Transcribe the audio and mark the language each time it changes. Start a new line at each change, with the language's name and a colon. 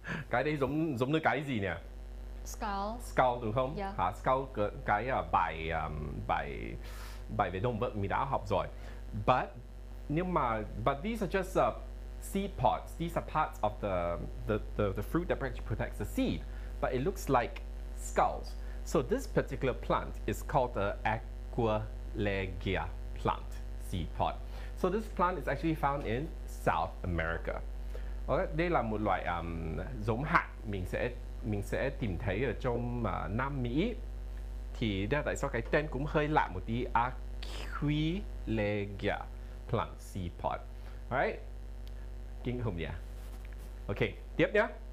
Vietnamese: Cái đấy giống như cái gì nè?
English: Skull
Vietnamese: đúng không?
English: Yeah.
Vietnamese: Skull cái bài về động vật mình đã học rồi.
English: But these are just seed pods. These are parts of the fruit that actually protects the seed. But it looks like skulls. So this particular plant is called the aquilegia plant seed pod. So this plant is actually found in South America.
Vietnamese: Okay, đây là một loại giống hạt mình sẽ tìm thấy ở trong Nam Mỹ. Thì đó là tại sao cái tên cũng hơi lạ một tí, Aquilegia plant seed pod. Alright, kinh khủng nhỉ. Ok, tiếp nhé.